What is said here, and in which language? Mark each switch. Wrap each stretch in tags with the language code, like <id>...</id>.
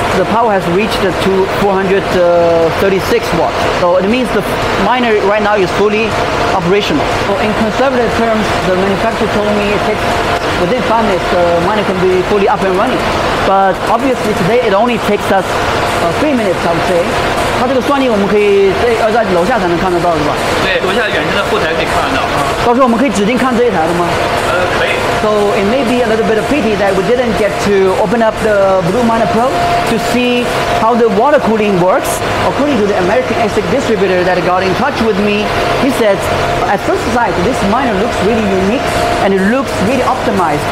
<en>The power has reached to 436 watts. So it means the miner right now is fully operational. So in conservative terms, the manufacturer told me it takes within 5 minutes, the miner can be fully up and running. But obviously today it only takes us 3 minutes, I would say.</en> <zh>它这个算力我们可以在楼下才能看得到是吧？对，楼下远程的后台可以看得到。到时候我们可以指定看这一台的吗？可以。</zh> <en>So it may be a little bit of pity that we didn't get to open up the Blue Miner Pro to see how the water cooling works. According to the American ASIC distributor that got in touch with me, he said, at first sight, this miner looks really unique and it looks really optimized.</en>